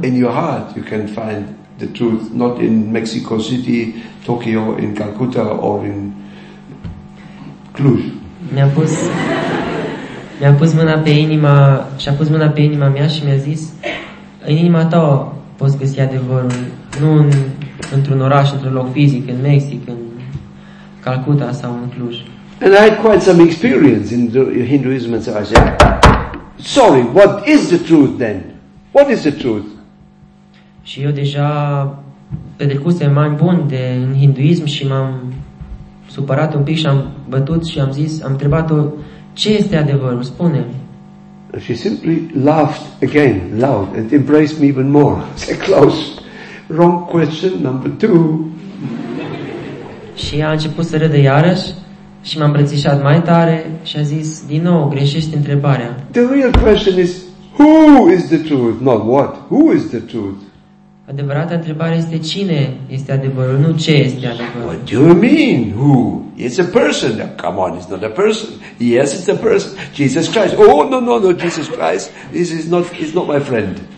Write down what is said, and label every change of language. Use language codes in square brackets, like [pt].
[en] In your heart you can find the truth, not in Mexico City, Tokyo, in Calcutta or in Cluj. [ro] Mi-a pus mâna pe inima și a pus mâna pe inima mea și mi-a zis, în inima ta poți găsi adevărul, nu într-un oraș, într-un loc fizic, în Mexic, în Calcutta sau în Cluj. [en] And I had quite some experience in the Hinduism, and so I said, sorry, what is the truth then? What is the truth? [ro] Și eu deja petrecusem ani buni de în hinduism și m-am supărat un pic și am bătut și am zis, am întrebat-o, ce este adevărul? Spune. [en] She simply laughed again, loud, and embraced me even more. Said, Klaus, wrong question number two. [ro] Și a început să râdă iarăși și m-a îmbrățișat mai tare și a zis, din nou, greșești întrebarea. [en] The real question is, who is the truth? Not what, who is the truth? [ro] Adevărata întrebare este cine este adevărul, nu ce este adevărul. [en] What do you mean? Who? It's a person. Come on, it's not a person. Yes, it's a person. Jesus Christ. Oh, no, Jesus Christ. This is not, it's not my friend.